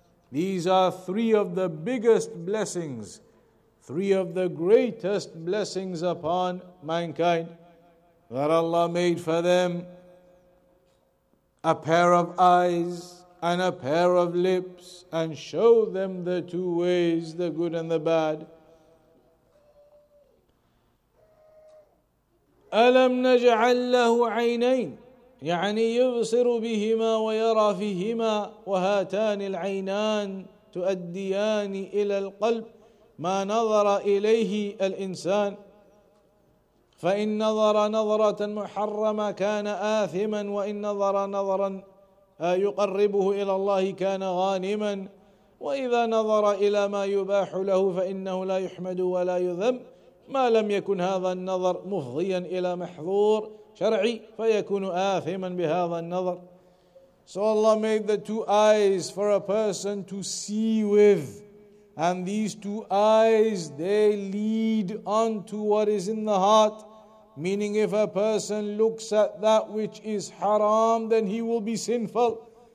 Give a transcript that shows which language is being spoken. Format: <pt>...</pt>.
<en>These are three of the biggest blessings, three of the greatest blessings upon mankind, that Allah made for them a pair of eyes and a pair of lips, and show them the two ways, the good and the bad.</en> <ar>أَلَمْ نَجْعَلْ لَهُ عَيْنَيْنِ يَعْنِي يُبْصِرُ بِهِمَا وَيَرَى فِيهِمَا وَهَاتَانِ الْعَيْنَانِ تُؤَدِّيَانِ إِلَى الْقَلْبِ مَا نَظَرَ إِلَيْهِ الْإِنسَانِ فَإِنْ نَظَرَ نَظَرَةً مُحَرَّمَ كَانَ آثِمًا وَإِنْ نَظَرَ نَظَرًا يقربه إلى الله كان غانما وإذا نظر إلى ما يباح له فإنه لا يحمد ولا يذم ما لم يكن هذا النظر مفضيا إلى محظور شرعي فيكون آثما بهذا النظر.</ar> <en>So Allah made the two eyes for a person to see with, and these two eyes, they lead on to what is in the heart, meaning if a person looks at that which is haram, then he will be sinful.</en>